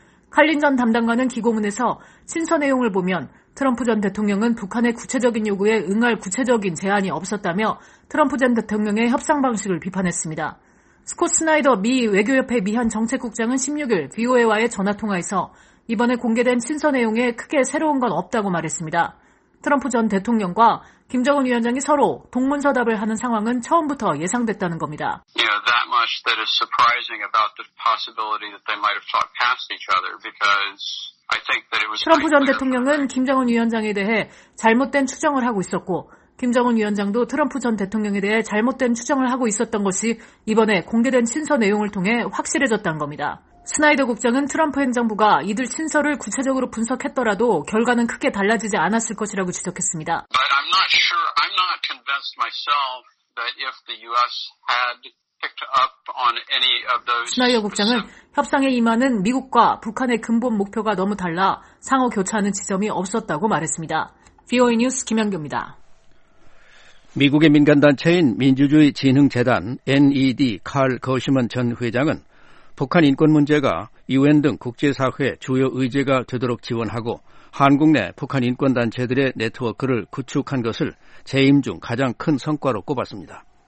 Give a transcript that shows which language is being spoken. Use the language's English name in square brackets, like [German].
[Korean] 칼린 전 담당관은 기고문에서 친서 내용을 보면 트럼프 전 대통령은 북한의 구체적인 요구에 응할 구체적인 제안이 없었다며 트럼프 전 대통령의 협상 방식을 비판했습니다. 스콧 스나이더 미 외교협회 미한 정책국장은 16일 VOA와의 전화통화에서 이번에 공개된 친서 내용에 크게 새로운 건 없다고 말했습니다. 트럼프 전 대통령과 김정은 위원장이 서로 동문서답을 하는 상황은 처음부터 예상됐다는 겁니다. [English] Yeah, that much that is surprising about the possibility that they might have talked past each other because I think that it was [Korean] 트럼프 전 대통령은 김정은 위원장에 대해 잘못된 추정을 하고 있었고 김정은 위원장도 트럼프 전 대통령에 대해 잘못된 추정을 하고 있었던 것이 이번에 공개된 친서 내용을 통해 확실해졌다는 겁니다. 스나이더 국장은 트럼프 행정부가 이들 친서를 구체적으로 분석했더라도 결과는 크게 달라지지 않았을 것이라고 지적했습니다. [English] But I'm not sure, I'm not convinced myself that if the U.S. had picked up on any of those... [Korean] 스나이더 국장은 협상에 임하는 미국과 북한의 근본 목표가 너무 달라 상호 교차하는 지점이 없었다고 말했습니다. VOA 뉴스 김영규입니다. 미국의 민간단체인 민주주의 진흥재단 NED 칼 거시먼 전 회장은 북한 인권 문제가 UN 등 국제사회의 주요 의제가 되도록 지원하고 한국 내 북한 인권단체들의 네트워크를 구축한 것을 재임 중 가장 큰 성과로 꼽았습니다.